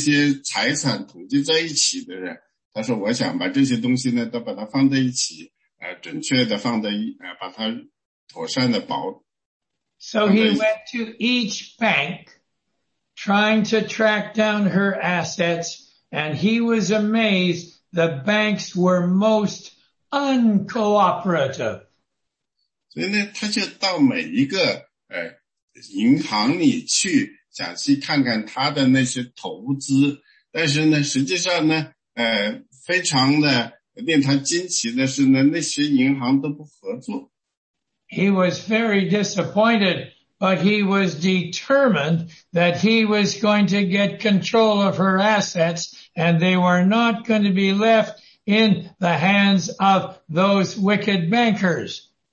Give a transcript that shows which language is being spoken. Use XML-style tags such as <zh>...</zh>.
<zh>所以呢，实际上呢，他的一个侄女呢，是在温尼聘，温尼聘呢，他是一个就是一个把这些财产统计在一起的人。他说我想把这些东西呢都把它放在一起，准确的放在一，把它妥善的保。</zh> <en>So he went to each bank trying to track down her assets, and he was amazed the banks were most uncooperative.</en> <zh>所以呢，他就到每一个银行里去，想去看看他的那些投资，但是呢，实际上呢，非常的令他惊奇的是呢，那些银行都不合作。</zh> <en>He was very disappointed, but he was determined that he was going to get control of her assets, and they were not going to be left in the hands of those wicked bankers.</en>